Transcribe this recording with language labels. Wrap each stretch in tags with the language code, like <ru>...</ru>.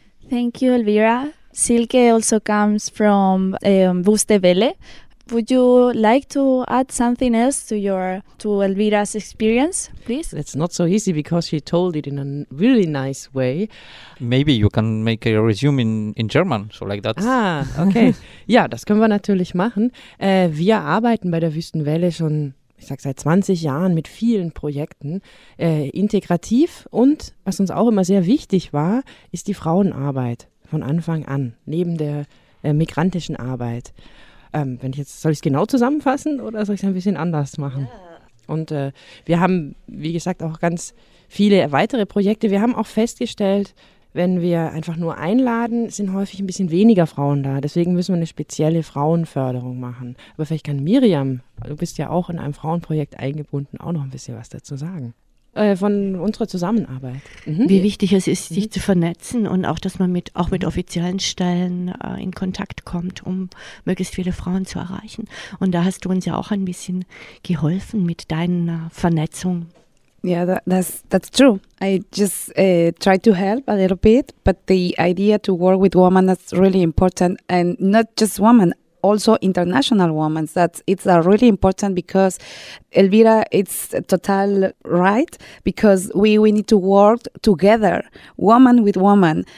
<en>Thank you, Elvira. Silke also comes from Bustevele. Would you like to add something else to Elvira's experience, please? It's not so easy because she told it in a really nice way. Maybe you can make a resume in German, so like that. Ah, okay.</en> <de>Ja, das können wir natürlich machen. Wir arbeiten bei der Wüstenwelle schon, ich sag seit 20 Jahren, mit vielen Projekten integrativ. Und was uns auch immer sehr wichtig war, ist die Frauenarbeit von Anfang an, neben der migrantischen Arbeit. Wenn ich jetzt, soll ich es genau zusammenfassen oder soll ich es ein bisschen anders machen? Ja. Und wir haben, wie gesagt, auch ganz viele weitere Projekte. Wir haben auch festgestellt, wenn wir einfach nur einladen, sind häufig ein bisschen weniger Frauen da. Deswegen müssen wir eine spezielle Frauenförderung machen. Aber vielleicht kann Miriam, du bist ja auch in einem Frauenprojekt eingebunden, auch noch ein bisschen was dazu sagen. Von unserer Zusammenarbeit. Mhm. Wie wichtig es ist, sich zu vernetzen und auch, dass man mit offiziellen Stellen in Kontakt kommt, um möglichst viele Frauen zu erreichen. Und da hast du uns ja auch ein bisschen geholfen mit deiner Vernetzung.</de> <en>Yeah, that's true. I just tried to help a little bit, but the idea to work with women is really important, and not just women, also international women. That it's really important because, Elvira, it's total right, because we need to work together, woman with woman.</en>